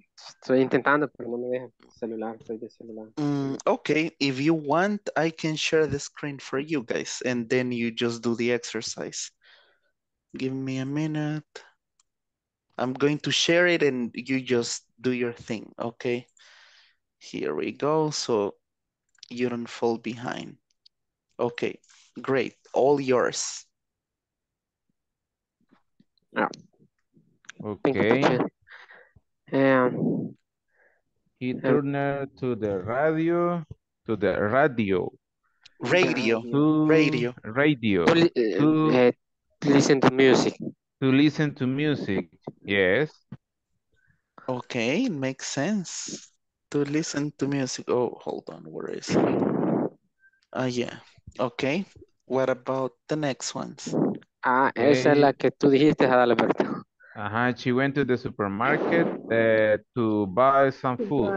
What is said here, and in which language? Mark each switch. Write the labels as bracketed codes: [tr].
[es] Estoy intentando, pero no me deja celular, soy de celular. [en] Okay, if you want, I can share the screen for you guys, and then you just do the exercise. Give me a minute. I'm going to share it and you just do your thing, okay? Here we go, so you don't fall behind. Okay, great, all yours. Okay. He turned to the radio, to listen to music. To listen to music, yes. Okay, makes sense. To listen to music. Oh, hold on, where is it? Yeah. Okay. What about the next ones? [es] Ah, esa es la que tú dijiste, Adalberto. [en] Ajá, she went to the supermarket to buy some food.